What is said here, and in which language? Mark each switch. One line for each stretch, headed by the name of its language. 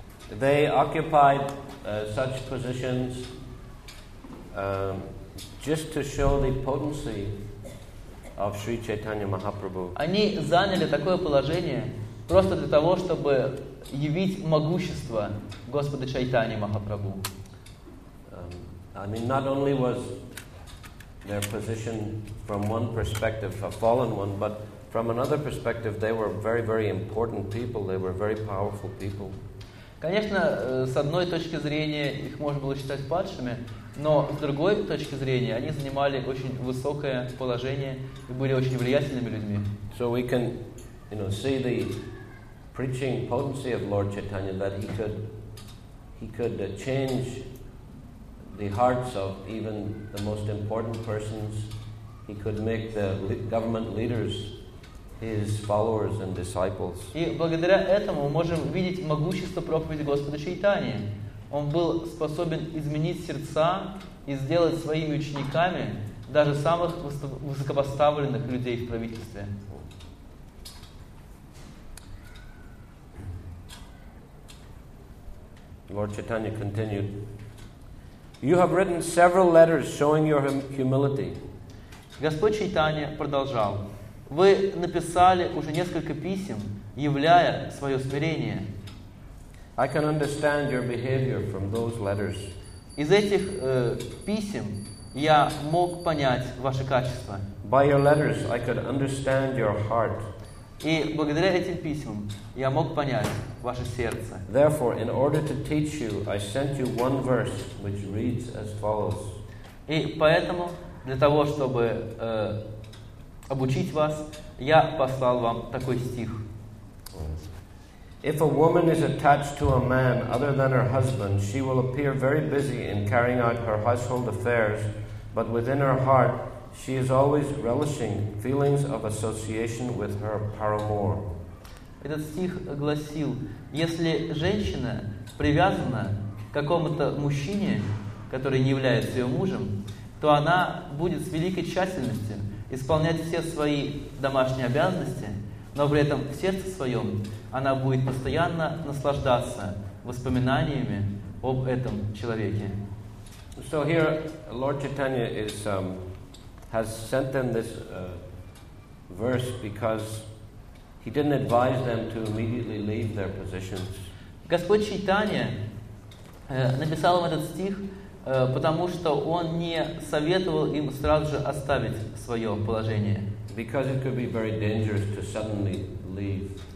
English: They occupied such positions just to show the potency of Sri Chaitanya Mahaprabhu.
Russian: Они заняли такое положение просто для того, чтобы явить могущество Господа Чайтани Махапрабху.
English: I mean, not only was their position from one perspective a fallen one, but from another perspective, they were very, very important people. They were very powerful people.
Russian: Конечно, с одной точки зрения их можно было считать падшими, но с другой точки зрения они занимали очень высокое положение и были очень влиятельными людьми.
English: So we can, you know, see the preaching potency of Lord Chaitanya, that he could change the hearts of even the most important persons. He could make the government leaders his followers and disciples.
Russian: И благодаря этому мы можем видеть могущество проповеди Господа Чайтани. Он был способен изменить сердца и сделать своими учениками даже самых высокопоставленных людей в правительстве.
English: Lord Chaitanya continued, "You have written several letters showing your humility."
Russian: Господь Чайтанья продолжал, "Вы написали уже несколько писем, являя свое смирение."
English: I can understand your behavior from those letters.
Russian: Из этих писем я мог понять ваши качества.
English: By your letters, I could understand your heart.
Russian: И благодаря этим письмам я мог понять ваше сердце.
English: Therefore, in order to teach you, I sent you one verse which reads as follows.
Russian: И поэтому, для того, чтобы обучить вас, я послал вам такой стих.
English: If a woman is attached to a man other than her husband, she will appear very busy in carrying out her household affairs, but within her heart, she is always relishing feelings of association with her paramour.
Russian: Этот стих гласил, если женщина привязана к какому-то мужчине, который не является ее мужем, то она будет с великой тщательностью исполнять все свои домашние обязанности, но при этом в сердце своем она будет постоянно наслаждаться воспоминаниями об этом человеке.
English: So here Lord Chaitanya is has sent them this verse because he didn't advise them to immediately leave their positions.
Russian: Господь Чайтанья написал им этот стих, потому что он не советовал им сразу же оставить свое положение.
English: Because it could be very dangerous to suddenly leave.